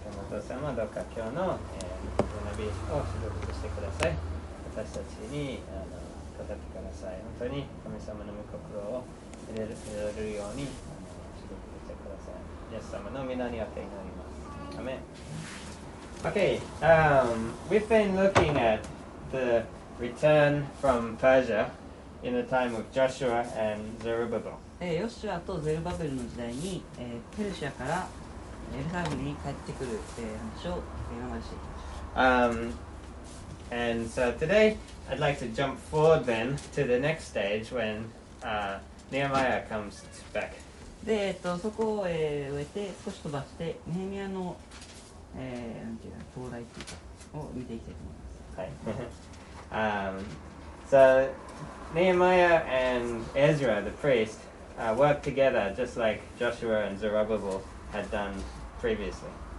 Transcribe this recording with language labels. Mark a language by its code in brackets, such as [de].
[ja] 山本さんもどうか今日の、学びを祝福してください。私たちに語ってください。本当に神様の御心を入れるように祝福してください。イエス様の御名によって祈ります。アメン。 [en] Okay, we've been looking at the return from Persia in the time of Joshua and Zerubbabel. [ja] ヨシュアとゼルバベルの時代に、ペルシアからエルサレムに帰ってくる、話を今までしてきました。 [en] And so today, I'd like to jump forward then to the next stage when Nehemiah comes back. [ja] で、そこを、終えて少し飛ばしてネヘミヤの到来というかを見ていきたいと思います。はい。 [en] So Nehemiah and Ezra the priest worked together just like Joshua and Zerubbabel had done previously.